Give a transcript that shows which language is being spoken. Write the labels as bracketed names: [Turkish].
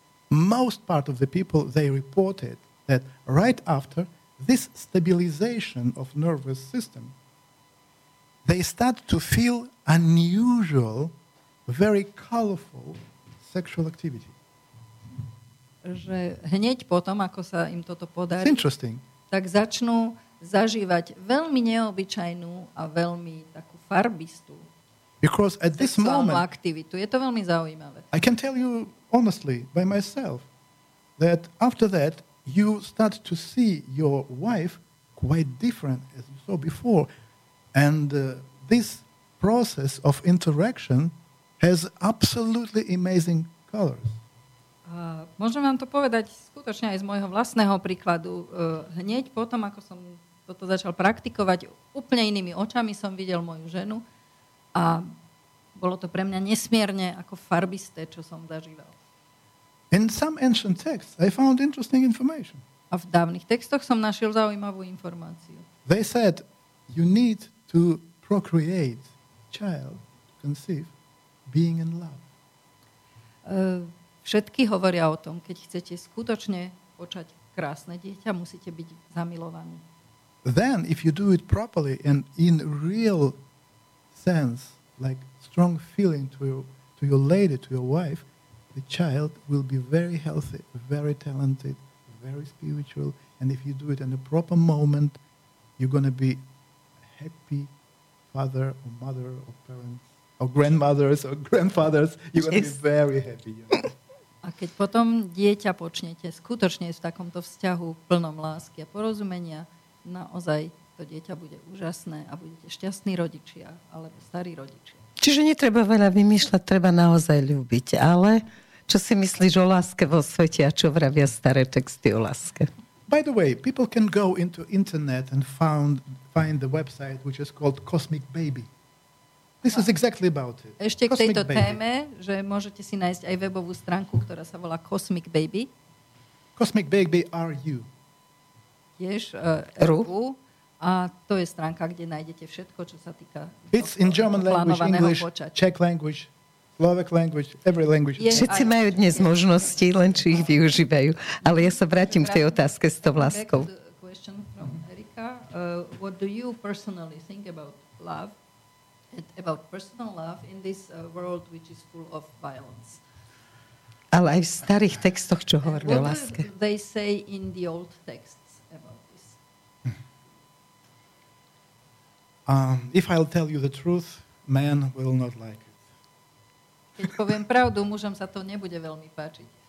[English] most part of the people, they reported that right after this stabilization of nervous system, they start to feel unusual, very colorful sexual activity. [Slovak] Že hneď potom, ako sa im toto podarí, [English] it's interesting, [Slovak] tak začnú zažívať veľmi neobyčajnú a veľmi takú farbistú [English] because at this moment [Slovak] aktivitu. Je to veľmi zaujímavé. [English] I can tell you honestly by myself that after that you start to see your wife quite different as you saw before, and this process of interaction has absolutely amazing colors. [Slovak] Môžem vám to povedať skutočne aj z môjho vlastného príkladu. Hneď potom, ako som toto začal praktikovať, úplne inými očami som videl moju ženu a bolo to pre mňa nesmierne ako farbisté, čo som zažíval. [English] In some ancient texts, I found interesting information. [Slovak] A v dávnych textoch som našiel zaujímavú informáciu. [English] They said you need to procreate child, conceive, being in love. [Slovak] Všetky hovoria o tom, keď chcete skutočne počať krásne dieťa, musíte byť zamilovaní. [English] Then if you do it properly and in real sense, like strong feeling to your lady, to your wife, the child will be very healthy, very talented, very spiritual, and if you do it in a proper moment, you're going to be a happy father or mother or parents or grandmothers or grandfathers, you're going to be very happy. You know? [Slovak] A keď potom dieťa počnete skutočne v takomto vzťahu plnom lásky a porozumenia, naozaj to dieťa bude úžasné a budete šťastní rodičia alebo starí rodičia. Čiže netreba veľa vymýšľať, treba naozaj ľúbiť. Ale čo si myslíš o láske vo svete a čo vravia staré texty o láske? [English] By the way, people can go into internet and find the website which is called Cosmic Baby. This is exactly about it. [Slovak] Ešte k tejto téme, že môžete si nájsť aj webovú stránku, ktorá sa volá Cosmic Baby. [English] Cosmic Baby RU. [Slovak] Tiež RU. A to je stránka, kde nájdete všetko, čo sa týka [English] it's in German language, English, [Slovak] počať. [English] Czech language, Slovak language, every language. [Slovak] Všetci majú dnes možnosti, len či ich využívajú. Ale ja sa vrátim k tej otázke s tou láskou. [English] Question from Erika. What do you personally think about love? About personal love in this world which is full of violence. [Slovak] Ale aj v starých textoch, čo hovorí o láske. [English] What do they say in the old texts about this? If I'll tell you the truth, man will not like it. [Slovak] Keď poviem pravdu, mužom sa to nebude veľmi páčiť.